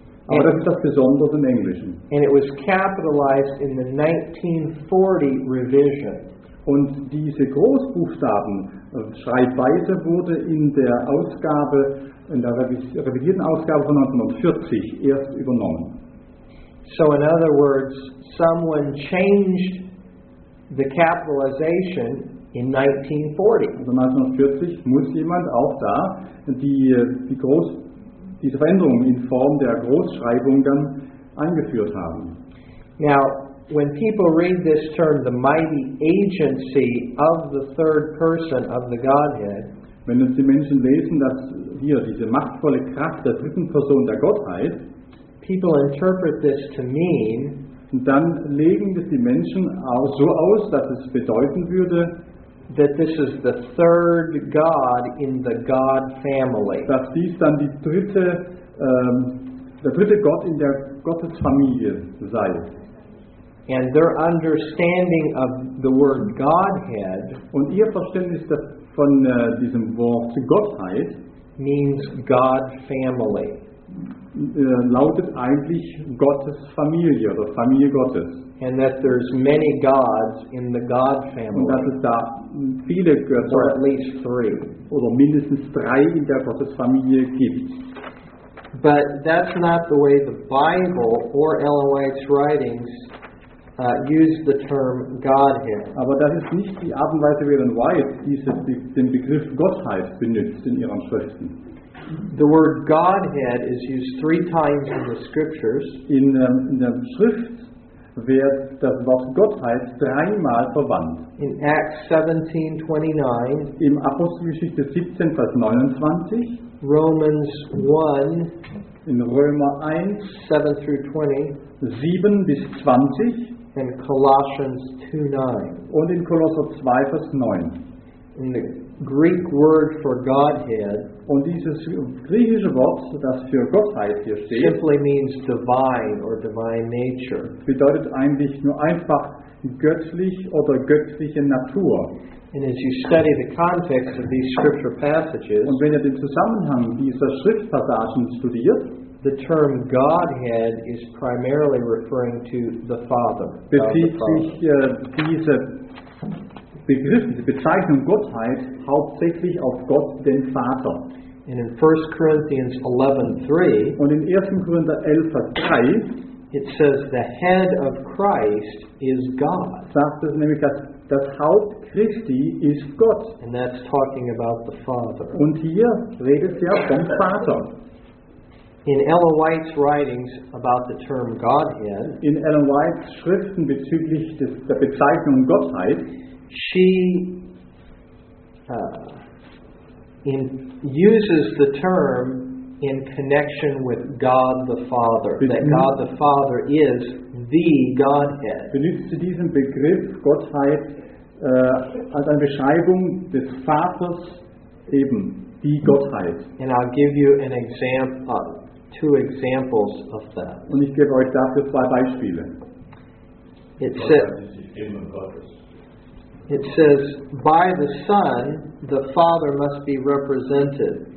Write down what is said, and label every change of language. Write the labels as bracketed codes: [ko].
[de] Aber das ist das Besondere im Englischen. [en] And it was capitalized in the 1940 revision. [de] Und diese Großbuchstaben-Schreibweise wurde in der Ausgabe, in der revidierten Ausgabe von 1940 erst übernommen. [en] So in other words, someone changed the capitalization in 1940. [de] Also 1940 muss jemand auch da diese Veränderung in Form der Großschreibung dann eingeführt haben. [en] Now, when people read this term, the mighty agency of the third person of the Godhead, [de] wenn uns die Menschen lesen, dass hier diese machtvolle Kraft der dritten Person der Gottheit, [en] people interpret this to mean, [de] dann legen das die Menschen auch so aus, dass es bedeuten würde, [en] that this is the third God in the God family, [de] dass dies dann die dritte, der dritte Gott in der Gottesfamilie sei. [en] And their understanding of the word Godhead, [de] und ihr Verständnis von diesem Wort Gottheit, [en] means God family, [de] lautet eigentlich Gottes Familie oder Familie Gottes. [en] And that there's many gods in the God family. [de] Und dass es da viele Götter, [en] or at least three, [de] oder mindestens drei in der Gottesfamilie gibt. [en] But that's not the way the Bible or Ellen White's writings use the term Godhead. [de] Aber das ist nicht die Art und Weise, wie Ellen White den Begriff Gottheit benutzt in ihren Schriften. [en] The word Godhead is used three times in the scriptures. [de] In der Schrift wird das Wort Gottheit dreimal verwandt. [en] In Acts 17:29, [de] im Apostelgeschichte 17, Vers 29, [en] Romans 1, [de] in Römer 1, [en] 7 through 20, [de] 7 bis 20, [en] and Colossians 2:9, [de] und in Kolosser 2, Vers 9. [en] In the Greek word for Godhead, [de] und dieses griechische Wort, das für Gottheit hier steht, [en] simply means divine or divine nature. [de] Bedeutet eigentlich nur einfach göttlich oder göttliche Natur. [en] And as you study the context of these scripture passages, [de] und wenn ihr den Zusammenhang dieser Schriftpassagen studiert, [en] the term Godhead is primarily referring to the Father. [de] Die Bezeichnung Gottheit hauptsächlich auf Gott, den Vater. [en] And in 1 Corinthians 11:3, [de] und in 1. Korinther 11:3, [en] it says the head of Christ is God. [de] Sagt es nämlich, dass das Haupt Christi ist Gott. [en] And that's talking about the Father. [de] Und hier redet er vom Vater. [en] In Ellen White's writings about the term Godhead, [de] in Ellen White's Schriften bezüglich der Bezeichnung Gottheit, [en] she uses the term in connection with God the Father, that God the Father is the Godhead. [de] Benutzt sie diesen Begriff Gottheit als eine Beschreibung des Vaters eben, die Gottheit. [en] And I'll give you an example, two examples of that. [de] Und ich gebe euch dafür zwei Beispiele. [en] It says, by the Son, the Father must be represented.